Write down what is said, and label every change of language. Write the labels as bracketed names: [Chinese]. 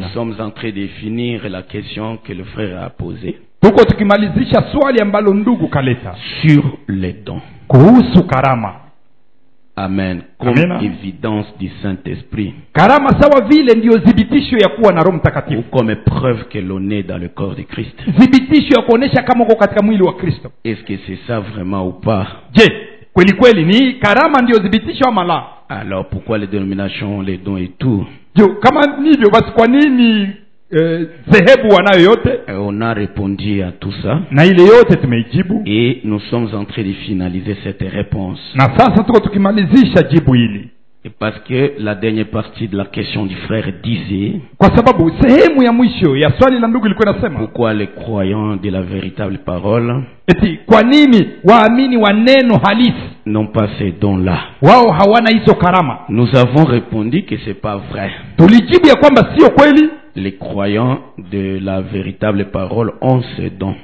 [French] Nous sommes en train de finir la question que le frère a posée. [Swahili] Tuko tukimalizisha swali ambalo ndugu kaleta. [French] Sur les dons. [Swahili] Kuhusu karama. Amen. [French] Comme évidence du Saint-Esprit. [Swahili] Karama sawa vile ndio zibitisho ya kuwa na Roho Mtakatifu. [French] Ou comme preuve que l'on est dans le corps de Christ. [Swahili] Zibitisho ya kuonesha kama uko katika mwili wa Kristo. [French] Est-ce que c'est ça vraiment ou pas? [Swahili] Je, kweli kweli ni karama ndio zibitisho ama la? [French] Alors pourquoi les dénominations, les dons et tout? [Swahili] Je, kama nivyo basi kwa nini zehebu wanayo yote? [French] On a répondu à tout ça. [Swahili] Na ile yote tumejibu. [French] Et nous sommes en train de finaliser cette réponse. [Swahili] Na sasa tuko tukimalizisha jibu hili. [French] Et parce que la dernière partie de la question du frère disait. [Swahili] Kwa sababu sehemu ya mwisho ya swali la ndugu ilikuwa inasema. [French] Pourquoi les croyants de la véritable parole? [Swahili] Eti kwa nini waamini wa neno halisi? [French] N'ont pas ces dons là. [Swahili] Wao hawana hizo karama. [French] Nous avons répondu que c'est pas vrai. [Swahili] Tulijibu ya kwamba sio kweli. [French] Les croyants de la véritable parole ont ces dons.